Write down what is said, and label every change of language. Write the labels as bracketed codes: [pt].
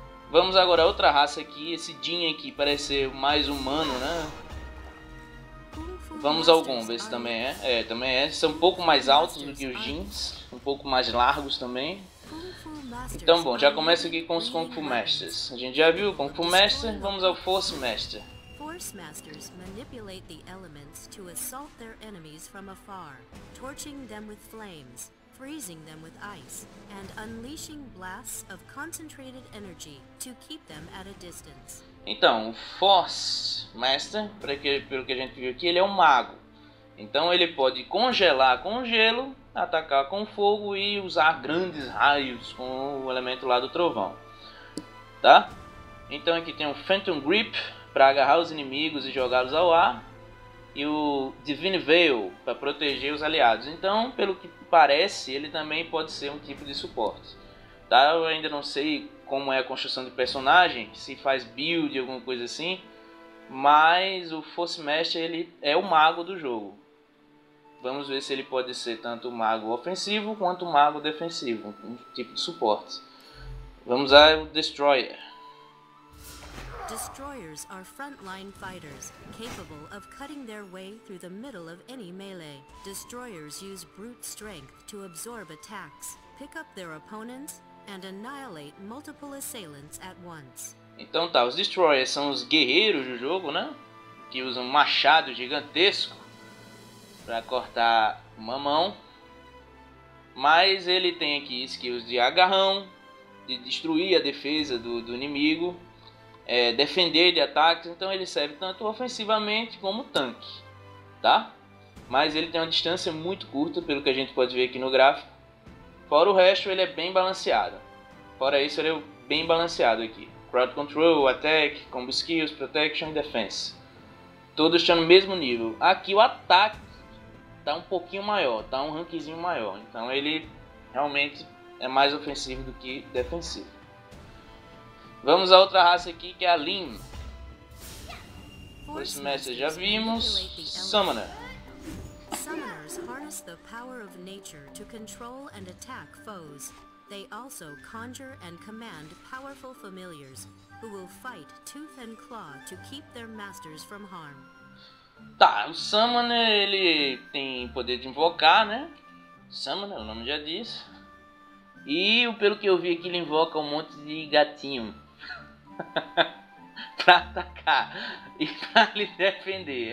[pt] Vamos agora a outra raça aqui, esse Jin aqui parece ser mais humano, né? Vamos ao Gomba, esse também é. É, também é. São um pouco mais altos do que os Jins, um pouco mais largos também. Então, bom, já começa aqui com os Kung Fu Masters. A gente já viu o Kung Fu Master, vamos ao Force Master. [en] Force Masters manipulate the elements to assault their enemies from afar, torching them with flames, freezing them with ice, and unleashing blasts of concentrated energy to keep them at a distance. [pt] Então, o Force Master, pelo que a gente viu aqui, ele é um mago. Então ele pode congelar com gelo, atacar com fogo e usar grandes raios com o elemento lá do trovão. Tá? Então aqui tem o Phantom Grip, para agarrar os inimigos e jogá-los ao ar. E o Divine Veil, para proteger os aliados. Então, pelo que parece, ele também pode ser um tipo de suporte. Tá? Eu ainda não sei como é a construção de personagem, se faz build, alguma coisa assim. Mas o Force Master, ele é o mago do jogo. Vamos ver se ele pode ser tanto o mago ofensivo quanto o mago defensivo. Um tipo de suporte. Vamos ao Destroyer. [en] Destroyers are frontline fighters, capable of cutting their way through the middle of any melee. Destroyers use brute strength to absorb attacks, pick up their opponents, and annihilate multiple assailants at once. [pt] Então tá, os Destroyers são os guerreiros do jogo, né? Que usam um machado gigantesco para cortar mamão. Mas ele tem aqui skills de agarrão, de destruir a defesa do inimigo. É, defender de ataques, então ele serve tanto ofensivamente como tanque, tá? Mas ele tem uma distância muito curta, pelo que a gente pode ver aqui no gráfico. Fora o resto, ele é bem balanceado. Fora isso, ele é bem balanceado aqui. Crowd Control, Attack, Combo Skills, Protection e Defense. Todos estão no mesmo nível. Aqui o ataque tá um pouquinho maior, tá um rankzinho maior. Então ele realmente é mais ofensivo do que defensivo. Vamos a outra raça aqui, que é a Lin. Force Masters já vimos. Summoner. [en] Summoners harness the power of nature to control and attack foes. They also conjure and command powerful familiars, who will fight tooth and claw to keep their masters from harm. [pt] Tá, o Summoner, ele tem poder de invocar, né? Summoner, o nome já diz. E pelo que eu vi aqui, ele invoca um monte de gatinho pra atacar e pra lhe defender.